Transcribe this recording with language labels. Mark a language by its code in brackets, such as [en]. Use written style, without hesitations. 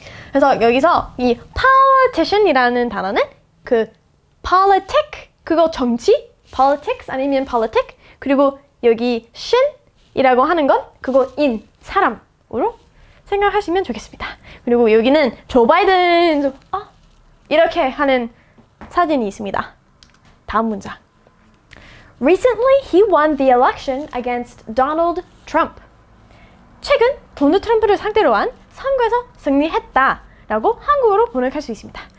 [ko] 그래서 여기서 이 politician이라는 단어는 그 politic, 그거 정치? politics 아니면 politic? 그리고 여기 신이라고 하는 건 그거 인, 사람으로 생각하시면 좋겠습니다. 그리고 여기는 조 바이든, 이렇게 하는 사진이 있습니다. 다음 문장. [en] Recently, he won the election against Donald Trump. [ko] 최근 도널드 트럼프를 상대로 한 선거에서 승리했다 라고 한국어로 번역할 수 있습니다.